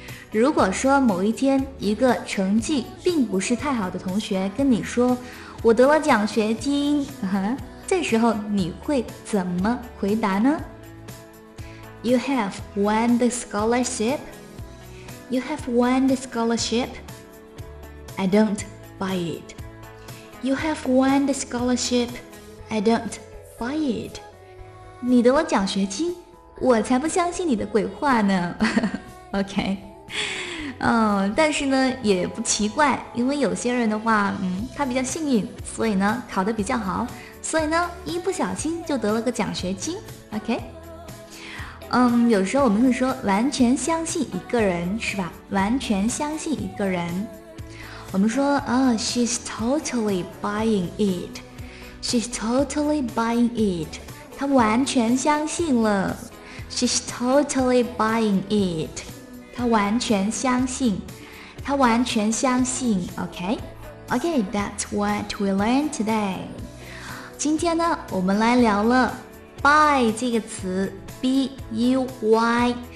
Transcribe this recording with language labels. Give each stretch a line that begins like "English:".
Chinese: 如果说某一天一个成绩并不是太好的同学跟你说我得了奖学金，这时候你会怎么回答呢 ？
English: You have won the scholarship. You have won the scholarship. I don't buy it. You have won the scholarship, I don't buy it.
Chinese: 你得了奖学金，我才不相信你的鬼话呢。 OK, 但是呢也不奇怪，因为有些人的话，他比较幸运，所以呢考得比较好，所以呢一不小心就得了个奖学金。 OK, 有时候我们会说完全相信一个人，是吧？完全相信一个人。我们说
English: she's totally buying it. She's totally buying it.
Chinese: 她完全相信了。
English: She's totally buying it.
Chinese: 她完全相信。她完全相信。
English: OK, that's what we learned today.
Chinese: 今天呢我们来聊了 buy 这个词 ,B-U-Y.